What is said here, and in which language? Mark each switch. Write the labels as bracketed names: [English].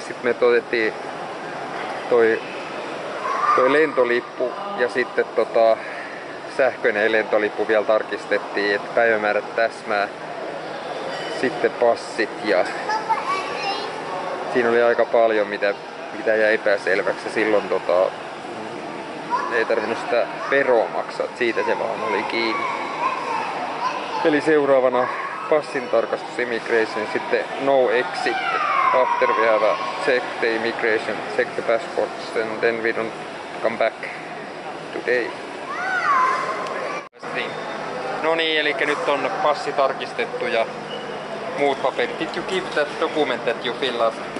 [Finnish] Sitten me otettiin toi lentolippu, ja sitten sähköinen lentolippu vielä tarkistettiin, että päivämäärät täsmää. Sitten passit, ja siinä oli aika paljon mitä jäi epäselväksi. Silloin ei tarvinnut sitä veroa maksaa, siitä se vaan oli kiinni. Eli seuraavana passin tarkastus, [English] immigration, [Finnish] sitten [English] no exit, after we have a check the immigration, check the passports, and then we don't come back today. [Finnish] No niin, eli nyt on passi tarkistettu ja muut paperit. [English] Did you give that document that you fill up?